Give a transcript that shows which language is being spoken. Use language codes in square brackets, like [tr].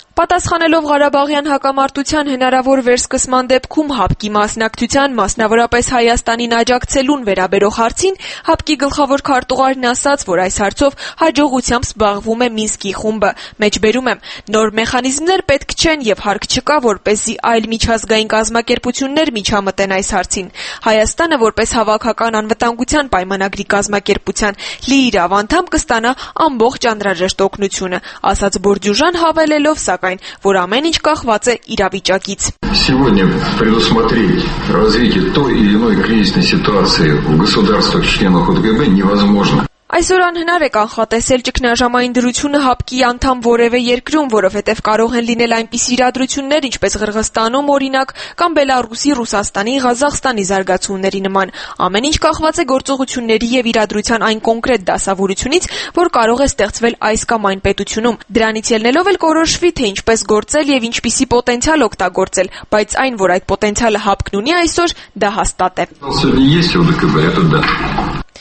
[hy] Պատասխանելով Ղարաբաղյան հակամարտության հնարավոր վերսկսման դեպքում ՀԱՊԿ-ի մասնակցության, մասնավորապես Հայաստանին աջակցելուն վերաբերող հարցին, ՀԱՊԿ-ի գլխավոր քարտուղարն ասաց, որ այս հարցով հաջողությամբ զբաղվում է Մինսկի խումբը։ Մեջբերում եմ, նոր մեխանիզմներ պետք չեն և հարկ չկա, որպեսզի այլ միջազգային կազմակերպություններ միջամտեն այս հարցին։ Հայաստանը, որպես հավաքական անվտանգության պայմանագրի կազմակերպության լի իրավանդամ, կստանա ամբողջ անհրաժեշտ օգնությունը, ասաց Բորդյուժան, հավելելով, սակայն, որ ամեն ինչ կախված է իրավիճակից։ [ru] Сегодня предусмотреть развитие той или иной кризисной ситуации в государствах-членах ОДКБ невозможно. [hy] Այսօր անհնար է կանխատեսել ճգնաժամային դրությունը ՀԱՊԿ-ի անդամ որևէ երկրում, որովհետև կարող են լինել այնպիսի իրադրություններ, ինչպես Ղրղստանում, օրինակ, կամ Բելարուսի, Ռուսաստանի, Ղազախստանի զարգացումների նման։ Ամեն ինչ կախված է գործողությունների և իրադրության այն կոնկրետ դասավորությունից, որ կարող է ստեղծվել այս կամ այն պետությունում։ Դրանից ելնելով էլ կորոշվի, թե ինչպես գործել և ինչպիսի պոտենցիալ օգտագործել, բայց այն, որ այդ պոտենցիալը ՀԱՊԿ-ն ունի այսօր, դա հաստատ է։